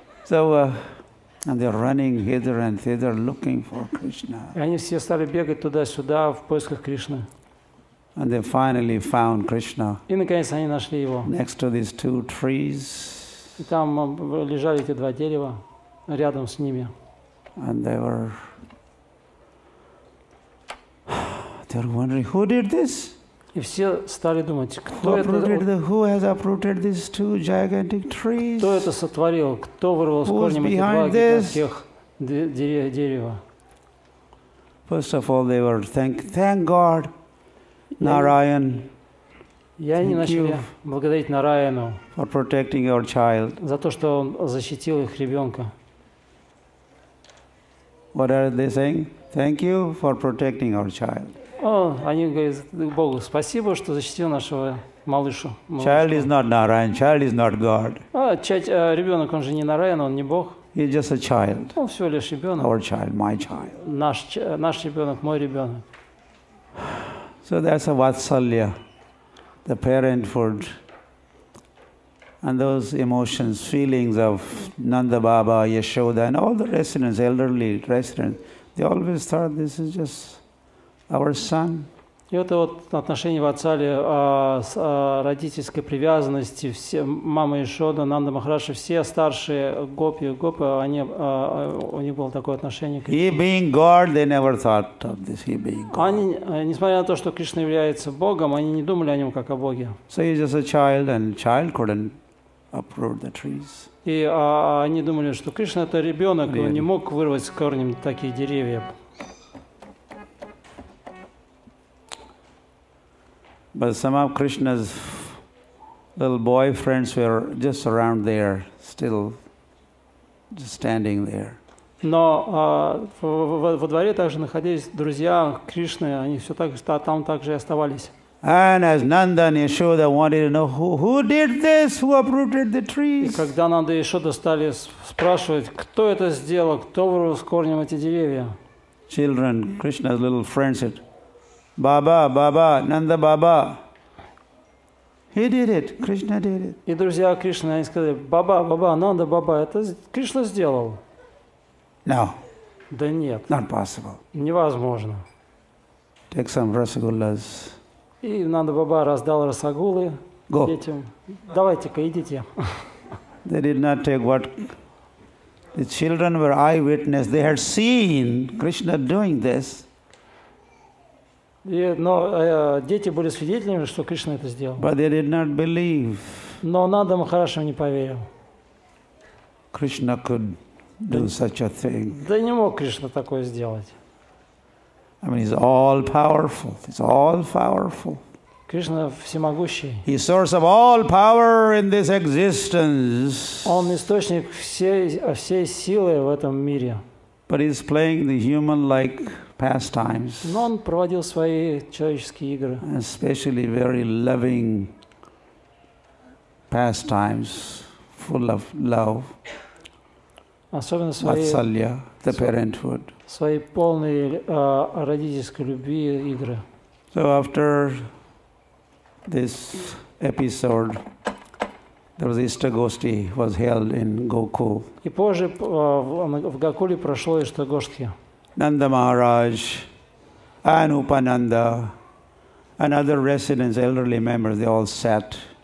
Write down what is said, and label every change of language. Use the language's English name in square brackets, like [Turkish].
[English] And they're running hither and thither looking for Krishna. [Russian] И они все стали бегать туда-сюда в поисках Кришны. [English] And they finally found Krishna. [Russian] И наконец они нашли его. [English] Next to these two trees. [Russian] И там лежали эти два дерева рядом с ними. [English] And they were wondering who did this? [Russian] И все стали думать, кто [English] Who has uprooted these two gigantic trees? [Russian] Кто это сотворил? Кто вырвал с корнем эти два гигантских дерева? [English] First of all, they were thank God, Narayan. [Russian] Я не начал благодарить Нараяну [English] for protecting your child. [Russian] За то, что он защитил их ребенка. [English] What are they saying? Thank you for protecting our child. [Russian] Они говорят Богу, спасибо, что защитил нашего малыша. [English] Child is not Narayan. Child is not God. [Russian] Ребенок, он же не Нараяна, он не Бог. [English] He's just a child. [Russian] Он всего лишь ребенок. [English] Our child, my child. [Russian] Наш ребенок, мой ребенок. [English] So that's a vatsalya, the parenthood, and those emotions, feelings of Nanda Baba, Yashoda, and all the residents, elderly residents, they always thought this is just our son. [Russian] И это вот отношение вацалья, родительской привязанности, все, мама Ишода, Нанда Махараши, все старшие гопи и гопы, у них было такое отношение к Кришне. [English] He being God, they never thought of this, he being God. [Russian] Они, несмотря на то, что Кришна является Богом, они не думали о нем как о Боге. [English] So he's just a child, and child couldn't uproot the trees. [Russian] И они думали, что Кришна это ребенок, [English] really? [Russian] Он не мог вырвать с корнем такие деревья. [English] But some of Krishna's little boyfriends were just around there, still just standing there. [Russian] Но во дворе также находились друзья Кришны, они все так там также оставались. [English] And as Nanda and Yashoda wanted to know who did this, who uprooted the trees. [Russian] И когда Нанда и Ишода стали спрашивать, кто это сделал, кто вырвал с корнем эти деревья. [English] Children, Krishna's little friends said, Baba, Baba, Nanda Baba. He did it. Krishna did it. [Russian] И друзья Кришны, они сказали, Баба, Баба, Нанда Баба, это Кришна сделал. [English] No. [Russian] Да нет. [English] Not possible. [Russian] Невозможно. [English] Take some rasagullas. [Russian] И Нанда Баба раздал расагулы детям. Давайте-ка, идите. [English] They did not take what the children were eyewitness. They had seen Krishna doing this. [Russian] Дети были свидетелями, что Кришна это сделал. [English] But they did not believe. [Russian] Но Нанда Махараши не поверил. [English] Krishna could do such a thing. [Russian] Да не мог Кришна такое сделать. [English] I mean, he's all powerful. He's all powerful. [Russian] Кришна всемогущий. [English] He's source of all power in this existence. [Russian] Он источник всей силы в этом мире. [English] But he's playing the human-like pastimes. [Russian] Но он проводил свои человеческие игры. [English] Especially very loving pastimes, full of love. [Russian] Особенно своей [English] Vatsalya, the parenthood. [Russian] Своей полной родительской любви игры. [English] So after this episode, there was Ishtagoshti was held in Gokul. [Russian] И позже в Гокуле прошло Ishtagoshti. [English] Nanda Maharaj and Upananda and other residents, elderly members, they all sat.